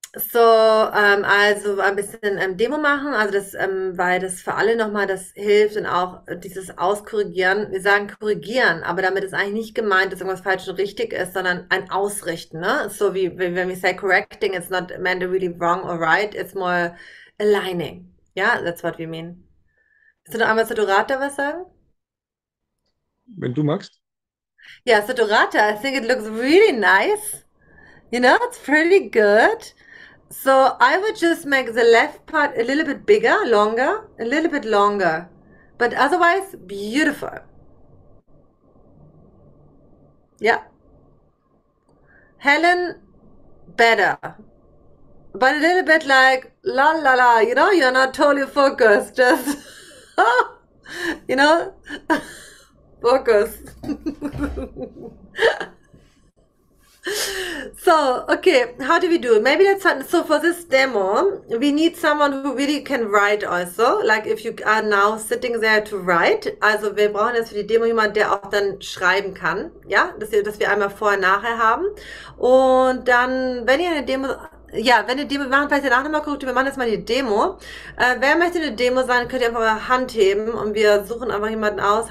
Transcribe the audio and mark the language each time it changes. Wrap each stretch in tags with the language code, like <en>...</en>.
<de>So, also ein bisschen Demo machen, also das, weil das für alle nochmal das hilft und auch dieses Auskorrigieren. Wir sagen korrigieren, aber damit ist eigentlich nicht gemeint, dass irgendwas falsch und richtig ist, sondern ein Ausrichten, ne? So wie wenn wir</de> <en>say correcting, it's not meant really wrong or right, it's more aligning. Ja, yeah, that's what we mean.</en> <de>Willst du noch einmal zu Dorata was sagen? Wenn du magst.</de> <en>Ja, so Dorata, I think it looks really nice. You know, it's pretty good. So, I would just make the left part a little bit bigger, longer, a little bit longer. But otherwise, beautiful. Yeah. Helen, better. But a little bit like, la la la, you know, you're not totally focused. Just, you know, focus. So, okay, how do we do it? Maybe let's start. So, for this demo, we need someone who really can write also. Like, if you are now sitting there to write.</en> <de>Also, wir brauchen jetzt für die Demo jemanden, der auch dann schreiben kann. Ja, dass wir einmal vorher, nachher haben. Und dann, wenn ihr eine Demo, ja, wenn ihr Demo, wir machen vielleicht danach nochmal korrekt, wir machen jetzt mal die Demo. Wer möchte eine Demo sein, könnt ihr einfach eure Hand heben und wir suchen einfach jemanden aus.</de>